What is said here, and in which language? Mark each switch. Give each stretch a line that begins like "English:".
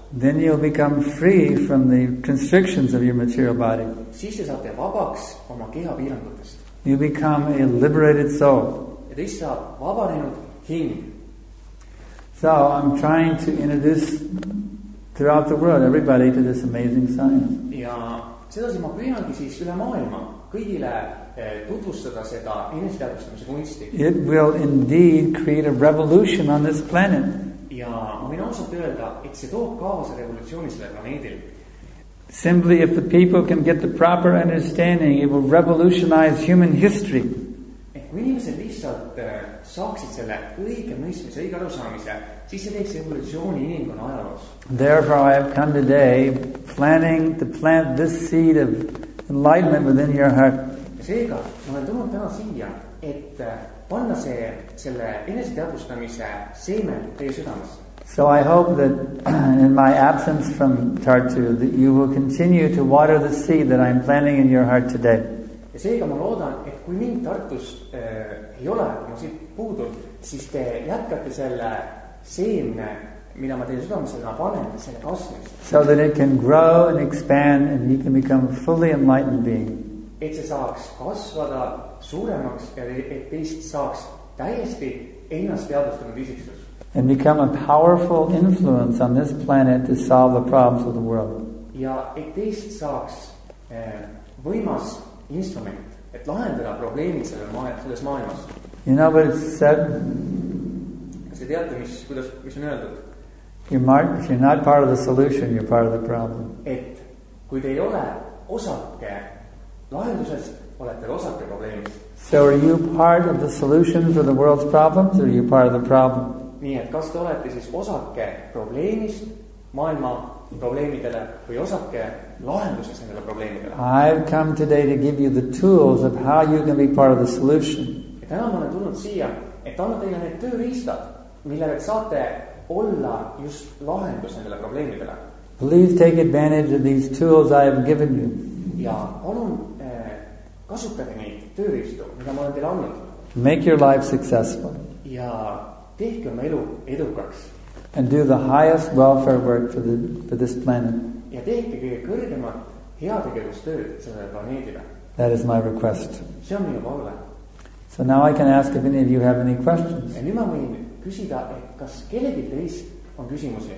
English: then you'll become free from the constrictions of your material body.
Estonian: Siis te saate vabaks oma keha piirangutest.
English: You become a liberated soul. It is a
Estonian: vabanenud hing.
English: So I'm trying to introduce throughout the world everybody to this amazing science.
Estonian: Ja sedasi ma püüangi siis üle maailma kõigile tutvustada seda eneseteadvustamise kunsti.
English: It will indeed create a revolution on this planet.
Estonian: Ja ma võin ausalt öelda, et see toob kaasa revolutsiooni selle planeedil.
English: Simply, if the people can get the proper understanding, it will revolutionize human history.
Estonian: Et kui inimesed lihtsalt saaksid selle õige mõistmise, õige arusaamise, siis see teeks evolutsiooni inimkonna ajaloos.
English: Therefore, I have come today planning to plant this seed of enlightenment within your heart.
Estonian: Ja seega, ma olen tulnud täna siia, et panna see selle eneseteadvustamise seeme teie südames.
English: So I hope that in my absence from Tartu that you will continue to water the seed that I'm planting in your heart today.
Estonian: Ja seega ma loodan, et kui mind Tartus ei ole, kui ma siit puudun, siis te jätkate selle seemne, mida ma teie südamisena panen, selle kasvamist.
English: So that it can grow and expand and you can become a fully enlightened being.
Estonian: Et see saaks kasvada suuremaks ja et teist saaks täiesti ennast teadustanud isiksus.
English: And become a powerful influence on this planet to solve the problems of the world.
Estonian: Ja et teist saaks võimas instrument, et lahendada probleemid selles maailmas.
English: You know what it's said?
Estonian: Kas te teate, mis on öeldud?
English: If you're not part of the solution, you're part of the problem.
Estonian: Et kui te ei ole osake lahendusest, olete osake probleemist.
English: So are you part of the solution for the world's problems, or are you part of the problem?
Estonian: Nii et kas te olete siis osake probleemist maailma probleemidele või osake lahendusest nendele probleemidele?
English: I've come today to give you the tools of how you can be part of the solution.
Estonian: Ja täna ma olen tulnud siia, et anna teile need tööriistad, millele saate olla just lahendus nendele probleemidele.
English: Please take advantage of these tools I have given you.
Estonian: Ja palun kasutage neid tööriistu, mida ma olen teile annud.
English: Make your life successful.
Estonian: Ja tehke oma elu edukaks.
English: And do the highest welfare work for this planet.
Estonian: Ja tehke kõige kõrgemat heategevustööd sellele planeedile.
English: That is my request.
Estonian: See on minu palve.
English: So now I can ask if any of you have any questions.
Estonian: Ja nüüd ma võin küsida, et kas kellegi teist on küsimusi?